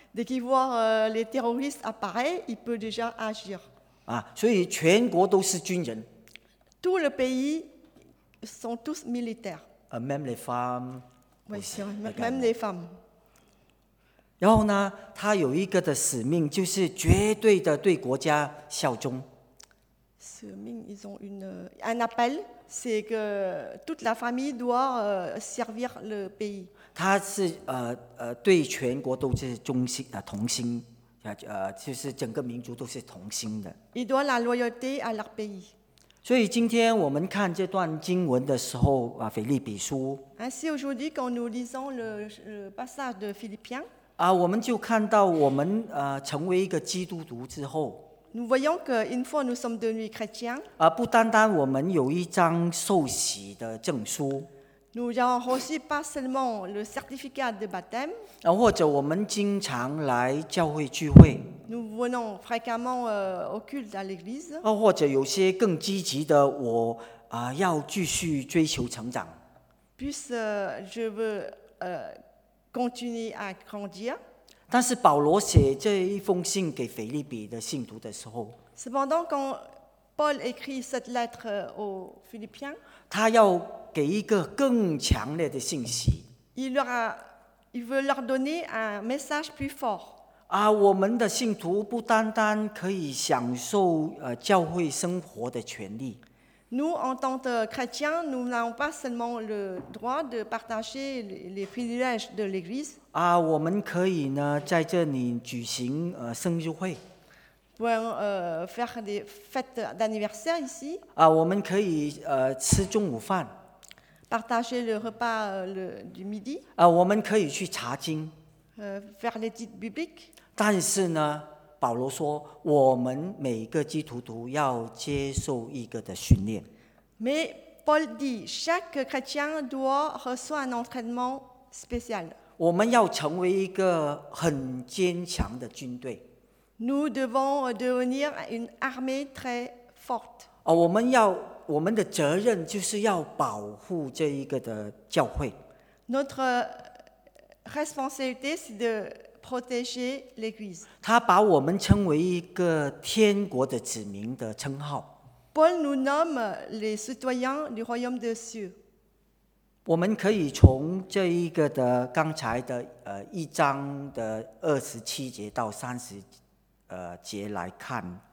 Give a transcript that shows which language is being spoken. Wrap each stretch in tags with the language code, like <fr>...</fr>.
<fr>Dès qu'ils voient les terroristes apparaître, ils peuvent déjà agir.</fr> <zh>所以全国都是军人。</zh> <fr>Tout le pays sont tous militaires. Même les femmes. Oui, même les femmes.</fr> <zh>然后呢，他有一个的使命，就是绝对的对国家效忠。</zh> <fr>Ils ont un appel, c'est que toute la famille doit servir le pays.</fr> <zh>他是对全国都是忠心同心，就是整个民族都是同心的。</zh> <fr>Ils doivent la loyauté à leur pays.</fr> <zh>所以今天我们看这段经文的时候啊，腓立比书。</zh> <fr>Ainsi aujourd'hui quand nous lisons le passage de Philippiens.</fr> <zh>我们就看到我们成为一个基督徒之后。</zh> <fr>Nous voyons qu'une fois nous sommes devenus chrétiens,</fr> <zh>不单单我们有一张受洗的证书,</zh> <fr>nous avons reçu pas seulement le certificat de baptême,</fr> <zh>或者我们经常来教会聚会,</zh> <fr>nous venons fréquemment au culte à l'église,</fr> <zh>或者有些更积极的我要继续追求成长,</zh> <fr>plus je veux continuer à grandir,</fr> <zh>但是保罗写这一封信给腓立比的信徒的时候</zh> <fr>Cependant, quand Paul écrit cette lettre aux Philippiens,</fr> <zh>他要给一个更强烈的信息</zh> <fr>il veut leur donner un message plus fort.</fr> <zh>啊，我们的信徒不单单可以享受教会生活的权利。</zh> <fr>Nous en tant que chrétiens, nous n'avons pas seulement le droit de partager les privilèges de l'Église.</fr> <zh>啊，我们可以呢在这里举行生日会。</zh> <fr>Pour faire des fêtes d'anniversaire ici.</fr> <zh>啊，我们可以吃中午饭。</zh> <fr>Partager le repas du midi.</fr> <zh>啊，我们可以去查经。</zh> <fr>Faire l'étude biblique.</fr> <zh>但是呢，保罗说，我们每个基督徒要接受一个的训练。</zh> <fr>Mais Paul dit, chaque chrétien doit recevoir un entraînement spécial.</fr> <zh>我们要成为一个很坚强的军队。</zh> <fr>Nous devons devenir une armée très forte.</fr> <zh>啊，我们要，我们的责任就是要保护这一个的教会。</zh> <fr>Notre responsabilité, c'est de protéger l'Église.</fr> <zh>他把我们称为一个天国的子民的称号。</zh> <fr>Paul nous nomme les citoyens du royaume des cieux.</fr> <zh>我们可以从这一个的刚才的一章的27节到30节来看。</zh>